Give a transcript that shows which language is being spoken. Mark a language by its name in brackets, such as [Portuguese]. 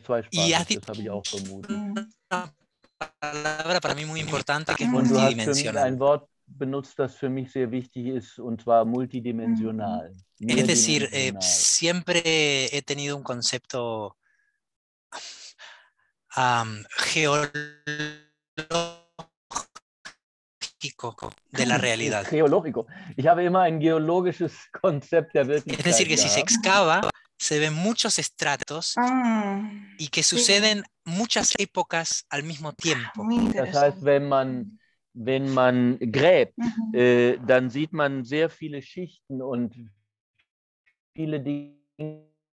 [Spanish] Y has dicho una palabra para mí muy importante, que es multidimensional. [German] Ein Wort benutzt, das für mich sehr wichtig ist, und zwar multidimensional. [Spanish] Es decir, siempre he tenido un concepto de la realidad. Geológico. [German] Ich habe immer ein geologisches Konzept der Wirklichkeit. [Spanish] Es decir, que si se excava, se ven muchos estratos y que suceden muchas épocas al mismo tiempo. [German] Das heißt, wenn man gräbt, dann sieht man sehr viele Schichten und viele Dinge.